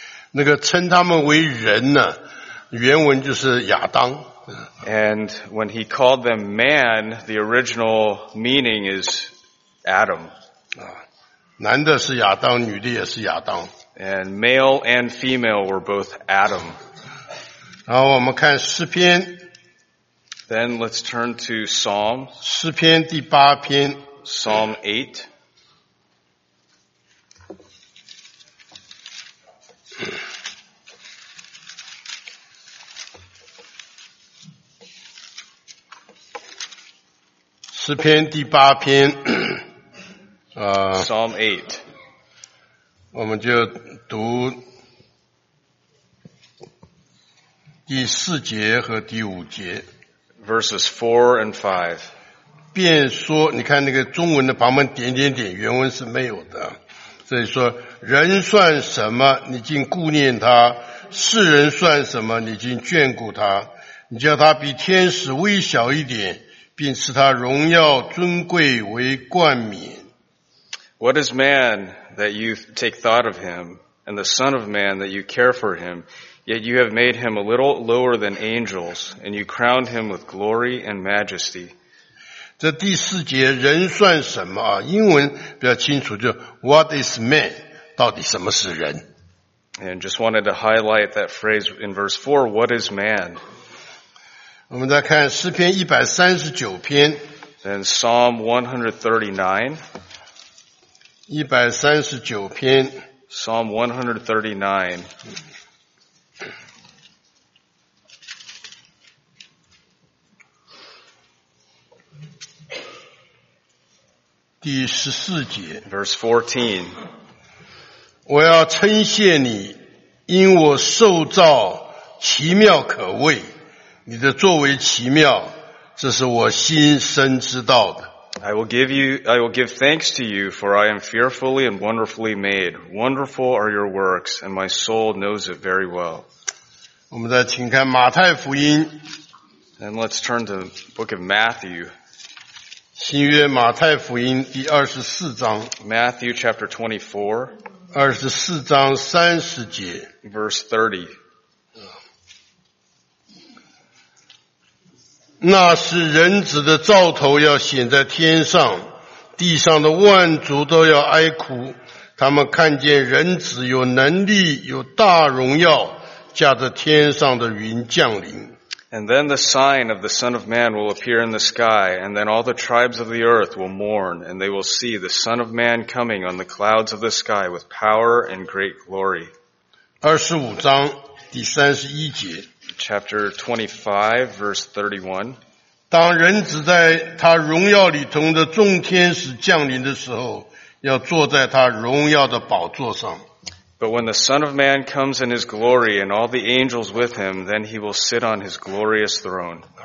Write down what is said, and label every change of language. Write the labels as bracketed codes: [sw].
[zh] 那个称他们为人呢，原文就是亚当。 [en] And when he called them man, the original meaning is Adam. [zh] 男的是亚当，女的也是亚当。 [en] And male and female were both Adam. [zh] 然后我们看诗篇。 [en] Then let's turn to Psalm. [zh] 诗篇第八篇。 [en] Psalm 8. [zh] 诗篇第八篇。 [en] Psalm 8. [zh] 我们就读第四节和第五节。 [en] Verses 4 and 5. [zh] 便说，你看那个中文的旁边点点点，原文是没有的。所以说，人算什么，你竟顾念他？世人算什么，你竟眷顾他？你叫他比天使微小一点，并赐他荣耀尊贵为冠冕。 [en] What is man that you take thought of him, and the son of man that you care for him? Yet you have made him a little lower than angels, and you crowned him with glory and majesty. [zh] 这第四节人算什么啊？英文比较清楚，就 [en] What is man? [zh] 到底什么是人？ [en] And just wanted to highlight that phrase in verse 4, What is man? [zh] 我们再看诗篇139篇。 [en] Then Psalm 139. [zh] 139篇 [en] Psalm 139 [zh] 第14节 [en] Verse 14 [zh] 我要称谢你，因我受造奇妙可畏，你的作为奇妙，这是我心生知道的。 [en] I will give thanks to you, for I am fearfully and wonderfully made. Wonderful are your works, and my soul knows it very well. [zh] 我们再请看马太福音。 [en] And let's turn to the book of Matthew. [zh] 新约马太福音第二十四章。 [en] Matthew chapter 24. [zh] 二十四章三十节。 [en] Verse 30. [zh] 那是人子的兆头要显在天上，地上的万族都要哀哭，他们看见人子有能力，有大荣耀，驾着天上的云降临。 [en] And then the sign of the Son of Man will appear in the sky, and then all the tribes of the earth will mourn, and they will see the Son of Man coming on the clouds of the sky with power and great glory. [zh] 二十五章第三十一节。 [en] Chapter 25, verse 31. [zh] 当人子在他荣耀里同着众天使降临的时候，要坐在他荣耀的宝座上。 [en] But when the Son of Man comes in his glory and all the angels with him, then he will sit on his glorious throne.